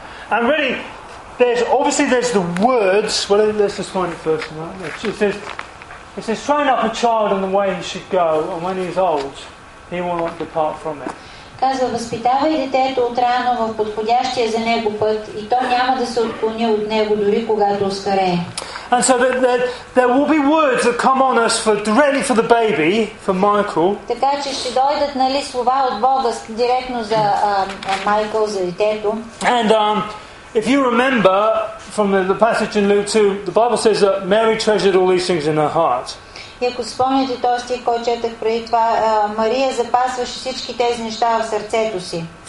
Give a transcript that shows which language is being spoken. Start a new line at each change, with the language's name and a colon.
English: And really, there's the words. Well, let's just find it first. It says, train up a child in the way he should go, and when he is old, he will not depart from it.
Bulgarian: Казва, възпитавай детето отрано в подходящия за него път, и то няма да се отклони от него дори когато остарее.
English: And so there will be words that come on us for directly for the baby, for Michael.
Bulgarian: Така че ще дойдат, нали, слова от Бога директно за Майкъл, за детето.
English: And if you remember from the passage in Luke 2, the Bible says that Mary treasured all these things in her heart.
Bulgarian: И ако спомняте този стих, който четах преди това, Мария запасваше всички тези неща в сърцето си.